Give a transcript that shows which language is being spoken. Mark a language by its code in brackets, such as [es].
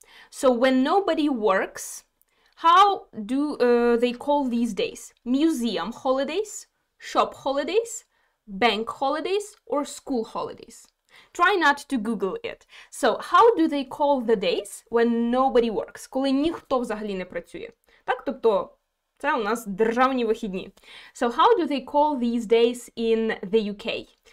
[en] So when nobody works, how do they call these days? Museum holidays, shop holidays, bank holidays, or school holidays? Try not to Google it. So how do they call the days when nobody works? [uk] Коли ніхто взагалі не працює. Так, тобто це у нас державні вихідні. [en] So how do they call these days in the UK?